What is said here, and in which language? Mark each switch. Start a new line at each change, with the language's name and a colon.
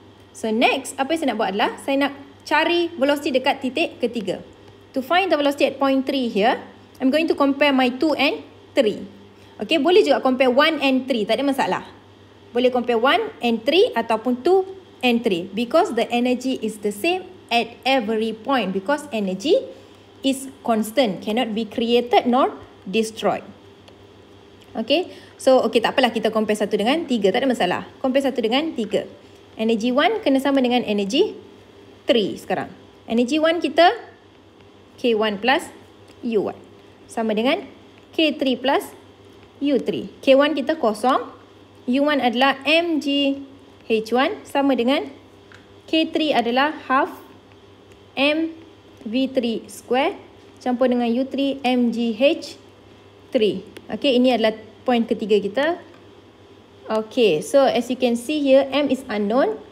Malay: So next, apa yang saya nak buat adalah saya nak cari velocity dekat titik ketiga.
English: To find the velocity at point 3 here, I'm going to compare my 2 and 3.
Malay: Okay, boleh juga compare 1 and 3. Tak ada masalah. Boleh compare 1 and 3 ataupun 2 and 3.
English: Because the energy is the same at every point. Because energy is constant. Cannot be created nor destroyed.
Malay: Okay, so okay, tak apalah kita compare 1 dengan 3. Tak ada masalah. Compare 1 dengan 3. Energy 1 kena sama dengan energy 3 sekarang. Energy 1 kita K1 plus U1. Sama dengan K3 plus U3. K1 kita kosong. U1 adalah MGH1. Sama dengan K3 adalah half MV3 square. Campur dengan U3 MGH3. Okay, ini adalah point ketiga kita.
English: Okay, so as you can see here, M is unknown.